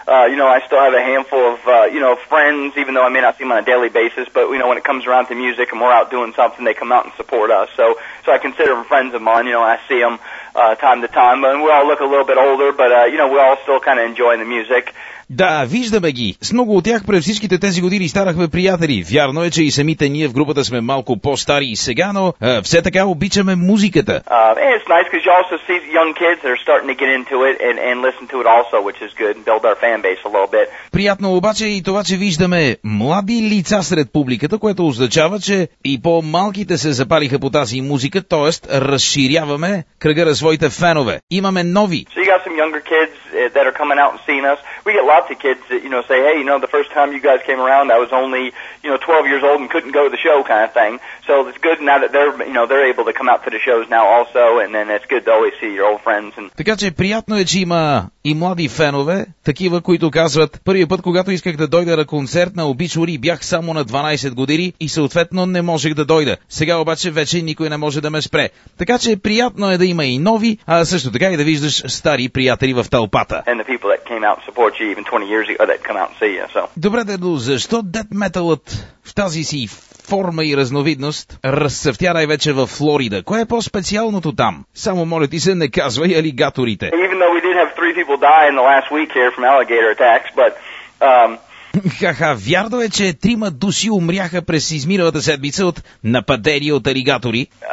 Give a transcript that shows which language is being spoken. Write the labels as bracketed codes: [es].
[en] You know, I still have a handful of, you know, friends, even though I may not see them on a daily basis. But, you know, when it comes around to music and we're out doing something, they come out and support us. So I consider them friends of mine. You know, I see them time to time. And we all look a little bit older, but, you know, we're all still kind of enjoying the music. [bg] Да, виждаме ги. С много от тях през всичките тези години станахме приятели. Вярно е, че и самите ние в групата сме малко по-стари и сега, но все така обичаме музиката. [en] It's nice because you also see young kids that are starting to get into it and listen to it also, which is good, and build our fan base a little bit. [bg] Приятно обаче и това, че виждаме млади лица сред публиката, което означава, че и по-малките се запалиха по тази музика, т.е. разширяваме кръга на своите фенове. Имаме нови. [en] So you got some younger kids that are coming out and seeing us. We get lots of kids that, you know, say, hey, you know, the first time you guys came around, I was only, you know, 12 years old and couldn't go to the show kind of thing. So it's good now that they're, you know, they're able to come out to the shows now also, and then it's good to always see your old friends. [bg] Така че приятно е, че има и млади фенове, такива, които казват, първият път, когато исках да дойда на концерт на Obituary, бях само на 12 години и съответно не можех да дойда. Сега обаче вече никой не може да ме спре. Така че приятно е да има и нови. нови, а също така и да виждаш стари приятели в тълпата. [en] And the people that came out and support you even 20 years ago that come out and see you. So. [bg] Добре, дедо, защо death metalът в тази си форма и разновидност разцъфтя най-вече във Флорида? Кое е по-специалното там? Само моля ти се, не казвай алигаторите. [en] Even though we did have three people die in the last week here from alligator attacks, but [bg] Ха-ха, вярно е, че трима души умряха през изминалата седмица от нападения от алигатори.